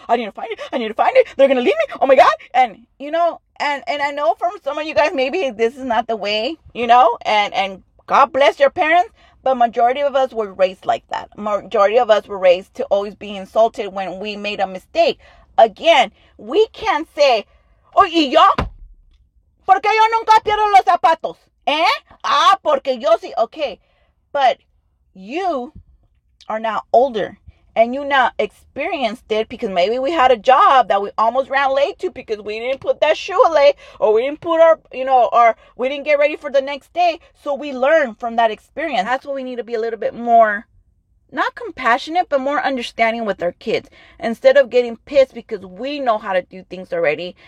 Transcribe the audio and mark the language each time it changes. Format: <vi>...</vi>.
<en>I need to find it. They're going to leave me. Oh my God. And you know, and I know from some of you guys, maybe this is not the way, you know, and God bless your parents. But majority of us were raised like that. Majority of us were raised to always be insulted when we made a mistake. Again, we can't say, oh,</en> <es>¿y yo? ¿Por qué yo nunca pierdo los zapatos? ¿Eh? Ah, porque yo sí. Okay.</es> <en>But you are now older and you now experienced it because maybe we had a job that we almost ran late to because we didn't put that shoe away or we didn't put our, you know, or we didn't get ready for the next day. So we learn from that experience. That's what we need to be a little bit more, not compassionate, but more understanding with our kids instead of getting pissed because we know how to do things already.</en>